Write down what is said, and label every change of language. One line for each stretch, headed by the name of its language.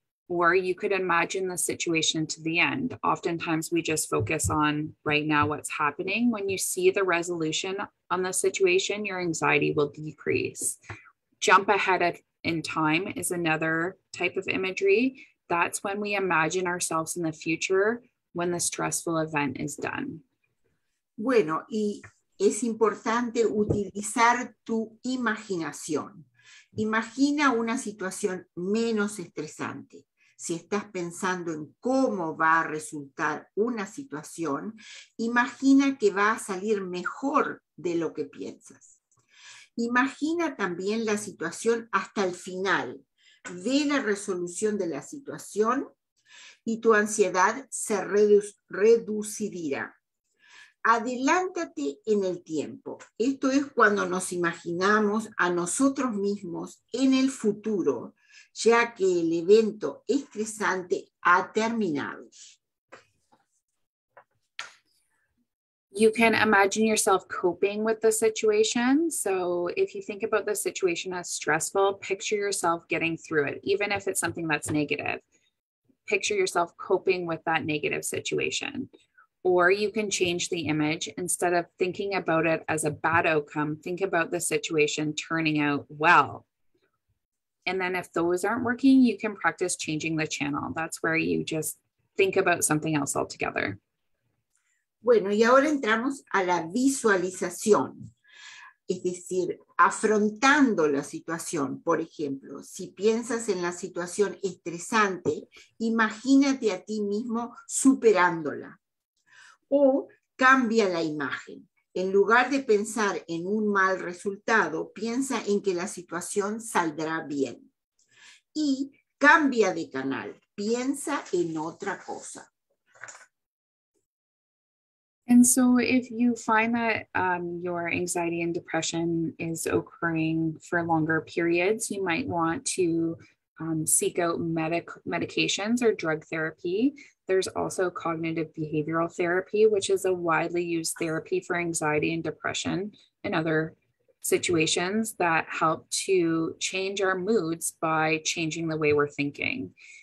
English: Or you could imagine the situation to the end. Oftentimes we just focus on right now what's happening. When you see the resolution on the situation, your anxiety will decrease. Jump ahead in time is another type of imagery. That's when we imagine ourselves in the future when the stressful event is done.
Spanish: Bueno, y es importante utilizar tu imaginación. Imagina una situación menos estresante. Si estás pensando en cómo va a resultar una situación, imagina que va a salir mejor de lo que piensas. Imagina también la situación hasta el final. Ve la resolución de la situación y tu ansiedad se reducirá. Adelántate en el tiempo. Esto es cuando nos imaginamos a nosotros mismos en el futuro, ya que el evento estresante ha terminado.
English: You can imagine yourself coping with the situation. So if you think about the situation as stressful, picture yourself getting through it, even if it's something that's negative. Picture yourself coping with that negative situation. Or you can change the image. Instead of thinking about it as a bad outcome, think about the situation turning out well. And then if those aren't working, you can practice changing the channel. That's where you just think about something else altogether.
Spanish: Bueno, y ahora entramos a la visualización, es decir, afrontando la situación. Por ejemplo, si piensas en la situación estresante, imagínate a ti mismo superándola. O cambia la imagen. En lugar de pensar en un mal resultado, piensa en que la situación saldrá bien. Y cambia de canal, piensa en otra cosa.
English: And so if you find that your anxiety and depression is occurring for longer periods, you might want to seek out medications or drug therapy. There's also cognitive behavioral therapy, which is a widely used therapy for anxiety and depression and other situations that help to change our moods by changing the way we're thinking.